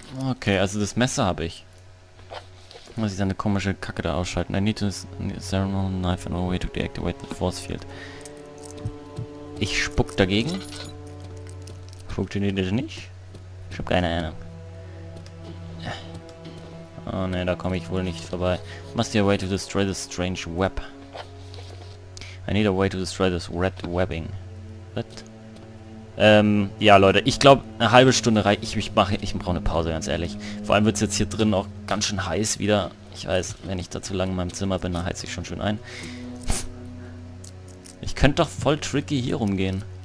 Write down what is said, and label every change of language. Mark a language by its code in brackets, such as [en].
[de] Okay, also das Messer habe ich. Muss ich dann eine komische Kacke da ausschalten. [en] I need to ceremonial knife and a way to deactivate the force field. [de] Ich spuck dagegen. Funktioniert das nicht? Ich hab keine Ahnung. Oh ne, da komme ich wohl nicht vorbei. [en] Must be a way to destroy this strange web. I need a way to destroy this red webbing. What? [de] Ja Leute, ich glaube eine halbe Stunde reicht. Ich brauche eine Pause, ganz ehrlich. Vor allem wird es jetzt hier drin auch ganz schön heiß wieder. Ich weiß, wenn ich da zu lange in meinem Zimmer bin, dann heiz ich schon schön ein. Ich könnte doch voll tricky hier rumgehen.